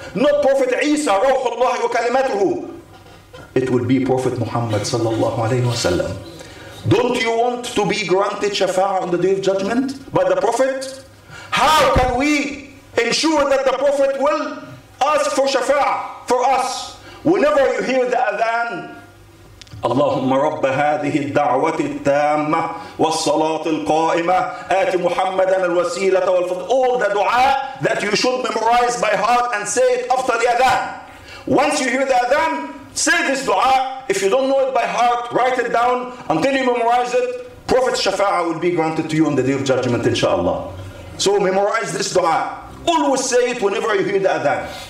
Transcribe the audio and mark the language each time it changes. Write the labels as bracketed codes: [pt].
[en] Not Prophet Isa, Ruhullah wa kalimatuhu. It would be Prophet Muhammad sallallahu alayhi wa sallam. Don't you want to be granted shafa'ah on the day of judgment by the Prophet? How can we ensure that the Prophet will ask for shafa'ah for us? Whenever you hear the adhan, [ar] اللهم رب هذه الدعوة التامة والصلاة القائمة آت محمدا الوسيلة والفضل. [en] All the dua that you should memorize by heart and say it after the adhan. Once you hear the adhan, say this dua. If you don't know it by heart, write it down. Until you memorize it, Prophet Shafa'ah will be granted to you on the day of judgment, inshallah. So memorize this dua. Always say it whenever you hear the adhan.